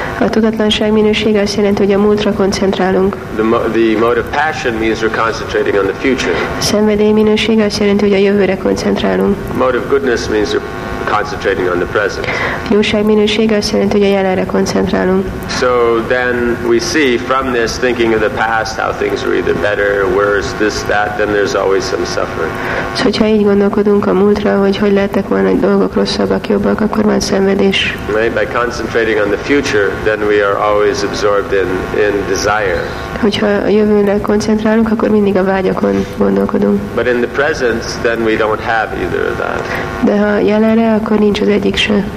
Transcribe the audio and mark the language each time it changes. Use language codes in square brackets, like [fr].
[hu] A tudatlanság minősége azt jelenti, hogy a múltra koncentrálunk. [en] The mode of passion means we're concentrating on the future. [hu] Szenvedély minősége azt jelenti, hogy a jövőre koncentrálunk. [en] Mode of goodness means we're concentrating on the present. [hu] Jóság minősége azt jelenti, hogy a jelenre koncentrálunk. [en] So then we see from this thinking of the past how things were either better or worse, this, that, then there's always some suffering. [hu] So, hogyha így gondolkodunk a múltra, hogy lettek volna egy dolgok rosszabbak, jobbak, akkor van szenvedés. [en] Right? By concentrating on the future, then we are always absorbed in desire. [hu] Hogyha a jövőre koncentrálunk, akkor mindig a vágyakon gondolkodunk. [en] But in the present, then we don't have either of that. [hu] De ha jelenre, akkor nincs az egyik se.